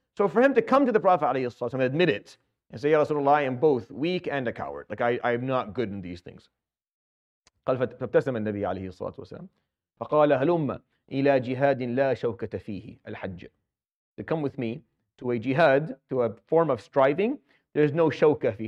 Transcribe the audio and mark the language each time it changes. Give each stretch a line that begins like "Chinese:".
English: So for him to come to the Prophet alayhi salatu wasalam and admit it and say, "Ya Rasulullah, I am both weak and a coward. Like I'm not good in these things."
Arabic: قال فابتسم النبي عليه الصلاة والسلام فقال هلم إلى جهاد لا شوكة فيه الحج.
English: To come with me to a jihad, to a form of striving, there's no shawka fi.